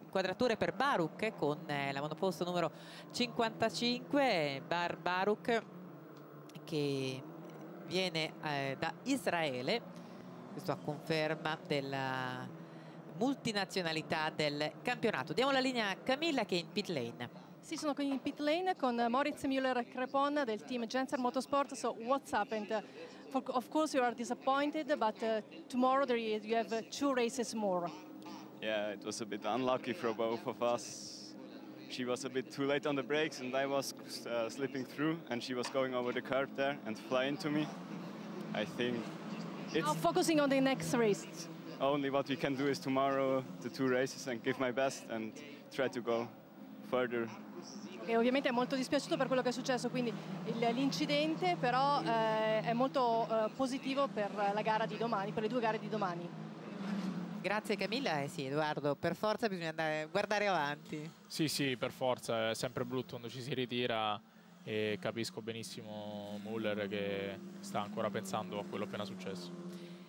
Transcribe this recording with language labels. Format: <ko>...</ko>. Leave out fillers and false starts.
<it>Quadrature per Baruch con la monoposto numero 55, Baruch che viene da Israele, questo a conferma della multinazionalità del campionato. Diamo la linea a Camilla che è in pit lane. Sì, sono qui in pit lane con Moritz Müller-Crepon del team Genser Motorsport.</it> <en>So what's happened? Of course you are disappointed, but tomorrow you have two races more. Yeah, it was a bit unlucky for both of us. She was a bit too late on the brakes and I was slipping through and she was going over the curb there and flying to me. I think it's now focusing on the next race. Only what we can do is tomorrow the two races and give my best and try to go further.</en> <it>E ovviamente è molto dispiaciuto per quello che è successo, quindi l'incidente, però è molto positivo per la gara di domani, per le due gare di domani. Grazie Camilla. Sì, Edoardo, per forza bisogna andare a guardare avanti. Sì, per forza, è sempre brutto quando ci si ritira, e capisco benissimo Müller che sta ancora pensando a quello appena successo.</it>